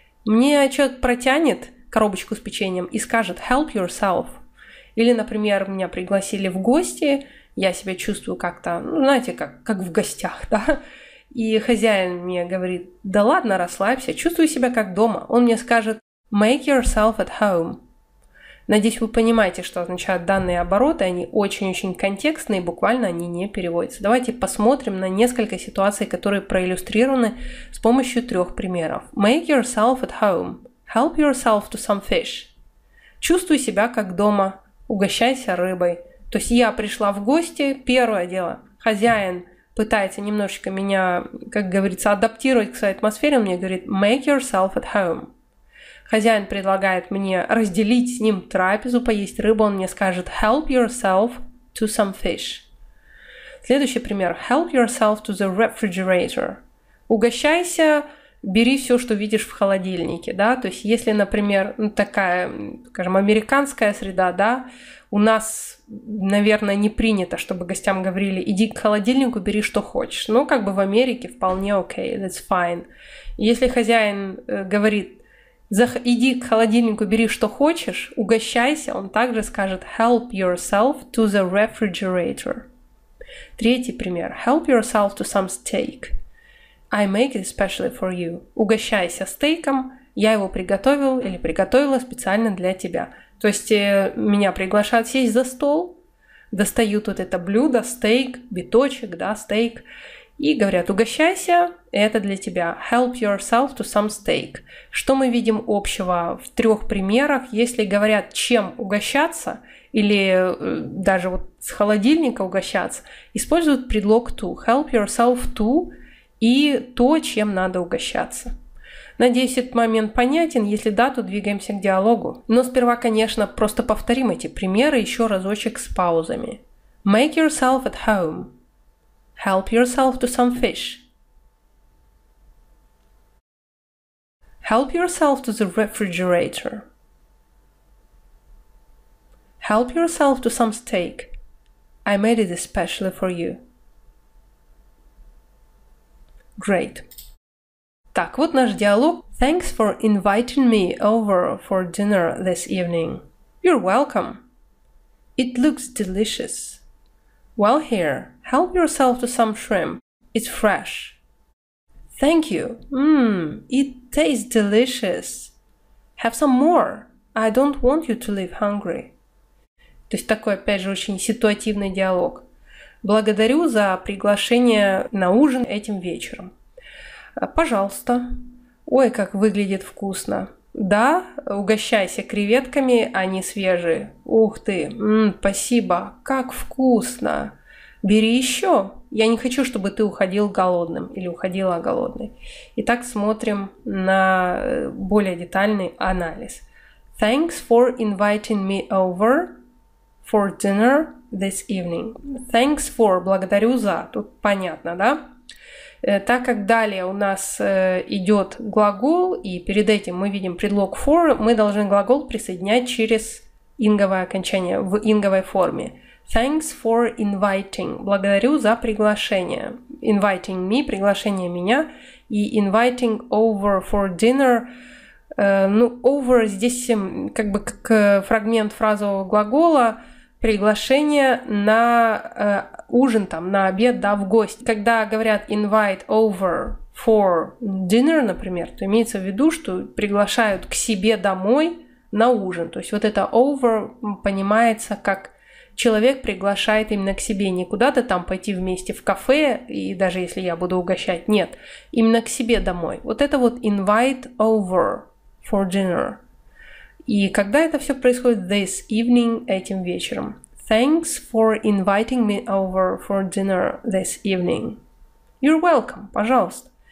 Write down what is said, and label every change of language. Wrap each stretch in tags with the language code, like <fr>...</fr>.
<ru>Мне человек протянет коробочку с печеньем и скажет</ru> <en>help yourself.</en> <ru>Или, например, меня пригласили в гости, я себя чувствую как-то, ну, знаете, как в гостях, да. И хозяин мне говорит, да ладно, расслабься, чувствую себя как дома. Он мне скажет</ru> <en>make yourself at home.</en> <ru>Надеюсь, вы понимаете, что означают данные обороты. Они очень-очень контекстные, буквально они не переводятся. Давайте посмотрим на несколько ситуаций, которые проиллюстрированы с помощью трех примеров.</ru> <en>Make yourself at home. Help yourself to some fish.</en> <ru>Чувствуй себя как дома. Угощайся рыбой. То есть я пришла в гости, первое дело, хозяин пытается немножечко меня, как говорится, адаптировать к своей атмосфере. Он мне говорит,</ru> <en>make yourself at home.</en> <ru>Хозяин предлагает мне разделить с ним трапезу, поесть рыбу. Он мне скажет</ru> <en>help yourself to some fish.</en> <ru>Следующий пример.</ru> <en>Help yourself to the refrigerator.</en> <ru>Угощайся, бери все, что видишь в холодильнике. Да? То есть, если, например, такая, скажем, американская среда, да, у нас, наверное, не принято, чтобы гостям говорили иди к холодильнику, бери что хочешь. Ну, как бы в Америке вполне окей,</ru> <en>that's fine.</en> <ru>Если хозяин говорит иди к холодильнику, бери что хочешь, угощайся, он также скажет</ru> <en>help yourself to the refrigerator.</en> <ru>Третий пример.</ru> <en>Help yourself to some steak. I make it specially for you.</en> <ru>Угощайся стейком, я его приготовил или приготовила специально для тебя. То есть меня приглашают сесть за стол, достают вот это блюдо, стейк, биточек, да, стейк, и говорят, угощайся, это для тебя.</ru> <en>Help yourself to some steak.</en> <ru>Что мы видим общего в трех примерах? Если говорят, чем угощаться, или даже вот с холодильника угощаться, используют предлог to.</ru> <en>Help yourself to</en> <ru>и то, чем надо угощаться. Надеюсь, этот момент понятен. Если да, то двигаемся к диалогу. Но сперва, конечно, просто повторим эти примеры еще разочек с паузами.</ru> <en>Make yourself at home. Help yourself to some fish. Help yourself to the refrigerator. Help yourself to some steak. I made it especially for you.</en> <ru>Great. Так, вот наш диалог.</ru> <en>Thanks for inviting me over for dinner this evening. You're welcome. It looks delicious. Well, here, help yourself to some shrimp. It's fresh. Thank you. It tastes delicious. Have some more. I don't want you to leave hungry.</en> <ru>То есть такой, опять же, очень ситуативный диалог. Благодарю за приглашение на ужин этим вечером. Пожалуйста. Ой, как выглядит вкусно. Да, угощайся креветками, они свежие. Ух ты, спасибо, как вкусно. Бери еще. Я не хочу, чтобы ты уходил голодным или уходила голодной. Итак, смотрим на более детальный анализ.</ru> <en>Thanks for inviting me over for dinner this evening. Thanks for.</en> <ru>Благодарю за. Тут понятно, да? Так как далее у нас идет глагол, и перед этим мы видим предлог for, мы должны глагол присоединять через инговое окончание в инговой форме.</ru> <en>Thanks for inviting.</en> <ru>Благодарю за приглашение.</ru> <en>Inviting me,</en> <ru>приглашение меня. И</ru> <en>inviting over for dinner.</en> <ru>Ну, over здесь как бы как фрагмент фразового глагола. Приглашение на ужин, там, на обед, да, в гости. Когда говорят</ru> <en>invite over for dinner,</en> <ru>например, то имеется в виду, что приглашают к себе домой на ужин. То есть вот это over понимается как человек приглашает именно к себе, не куда-то там пойти вместе в кафе, и даже если я буду угощать, нет, именно к себе домой. Вот это вот</ru> <en>invite over for dinner.</en> <ru>И когда это все происходит?</ru> <en>This evening,</en> <ru>этим вечером.</ru> <en>Thanks for inviting me over for dinner this evening. You're welcome, пожалуйста.</en>